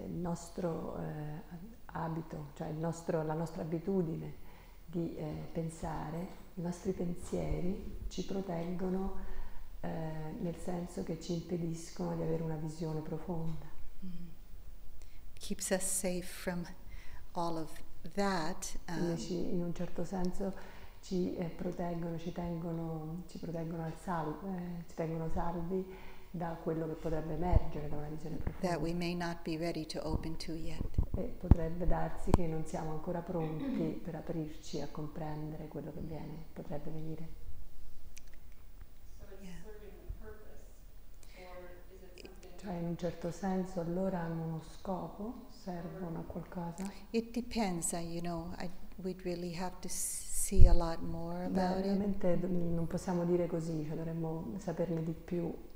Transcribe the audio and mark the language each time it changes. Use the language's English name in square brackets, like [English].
[Italian] nostro abito, cioè il nostro, la nostra abitudine di pensare, i nostri pensieri ci proteggono nel senso che ci impediscono di avere una visione profonda. [English] Keeps us safe from all of that. [Italian] In un certo senso ci proteggono, ci tengono ci tengono salvi da quello che potrebbe emergere da una visione profonda. [English] That we may not be ready to open to yet. [Italian] E potrebbe darsi che non siamo ancora pronti per aprirci a comprendere quello che viene, potrebbe venire. Cioè, in un certo senso, allora hanno uno scopo, servono a qualcosa? [English] It depends, you know, we'd really have to see a lot more about it. [Italian] Veramente non possiamo dire così, cioè dovremmo saperne di più.